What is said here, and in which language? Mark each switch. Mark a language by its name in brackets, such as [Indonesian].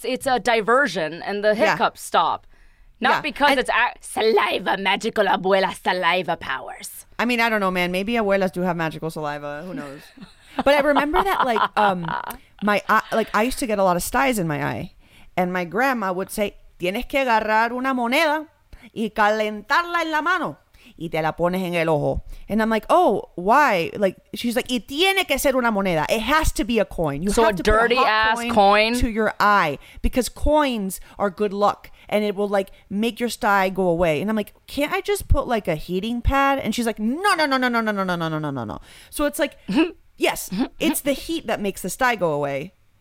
[English] It's a diversion, and the hiccups stop. Not because it's saliva, magical abuela saliva powers. I mean, I don't know, man. Maybe abuelas do have magical saliva. Who knows? But I remember that, like, my eye, like, I used to get a lot of styes in my eye. And my grandma would say, [Spanish] tienes que agarrar una moneda y calentarla en la mano y te la pones en el ojo. [English] And I'm like, oh, why? Like, she's like, [Spanish] y tiene que ser una moneda. [English] It has to be a coin. You so have a to dirty put a hot ass coin to your eye, because coins are good luck and it will, like, make your sty go away. And I'm like, can't I just put, like, a heating pad? And she's like, no, no, no, no, no, no, no, no, no, no, no, no, no. So it's like, yes, it's the heat that makes the sty go away.